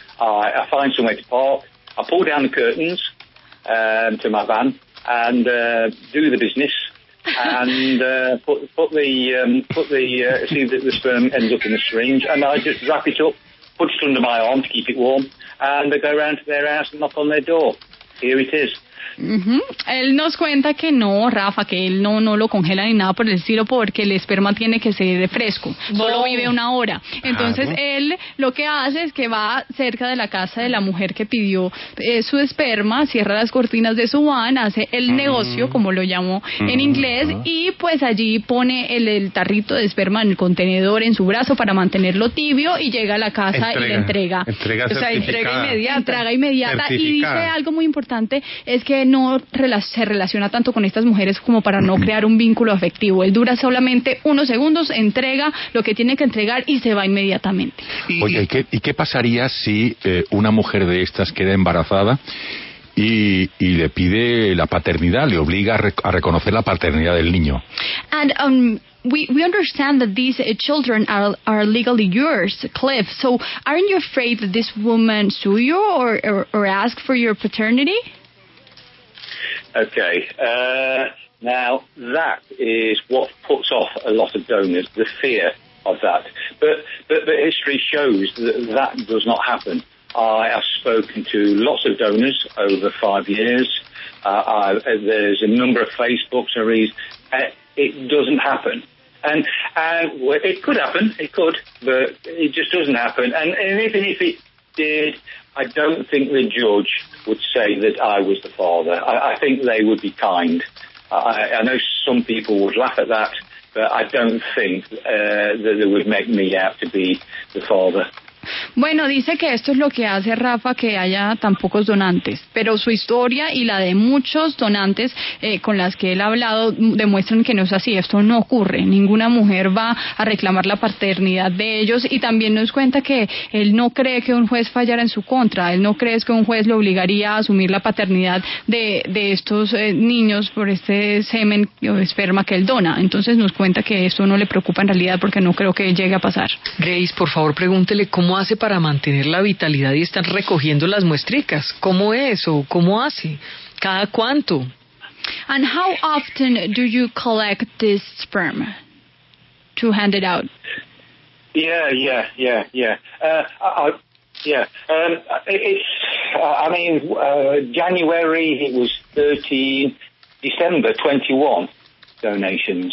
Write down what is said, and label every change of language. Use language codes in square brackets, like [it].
[en] I find somewhere to park. I pull down the curtains to my van and do the business. And the sperm ends up in the syringe, and I just wrap it up, put it under my arm to keep it warm, and I go round to their house and knock on their door. Here it is. Uh-huh. [es] Él nos cuenta que no, Rafa, que él no lo congela ni nada por el estilo, porque el esperma tiene que ser fresco. Solo vive una hora. Entonces él lo que hace es que va cerca de la casa de la mujer que pidió su esperma, cierra las cortinas de su van, hace el negocio, como lo llamó en inglés, y pues allí pone el tarrito de esperma en el contenedor en su brazo para mantenerlo tibio, y llega a la casa y le entrega. Entrega inmediata. Y dice algo muy importante, es que no se relaciona tanto con estas mujeres como para no crear un vínculo afectivo. Él dura solamente unos segundos, entrega lo que tiene que entregar y se va inmediatamente. Oye, ¿y qué pasaría si una mujer de estas queda embarazada y le pide la paternidad, le obliga a reconocer la paternidad del niño? [en] And, We understand that these children are legally yours, Cliff. So aren't you afraid that this woman sue you or ask for your paternity? Okay. Now, that is what puts off a lot of donors, the fear of that. But history shows that does not happen. I have spoken to lots of donors over 5 years. There's a number of Facebooks I read. It doesn't happen. And it could happen, but it just doesn't happen. And even if it did, I don't think the judge would say that I was the father. I think they would be kind. I know some people would laugh at that, but I don't think that they would make me out to be the father. [es] Bueno, dice que esto es lo que hace, Rafa, que haya tan pocos donantes, pero su historia y la de muchos donantes con las que él ha hablado demuestran que no es así, esto no ocurre, ninguna mujer va a reclamar la paternidad de ellos, y también nos cuenta que él no cree que un juez fallara en su contra, él no cree que un juez lo obligaría a asumir la paternidad de estos niños por este semen o esperma que él dona, entonces nos cuenta que esto no le preocupa en realidad porque no creo que llegue a pasar. Grace, por favor, pregúntele cómo hace para mantener la vitalidad y estar recogiendo las muestricas. ¿Cómo es o cómo hace? ¿Cada cuánto? [en] And how often do you collect this sperm to hand it out? January it was 13, December 21 donation.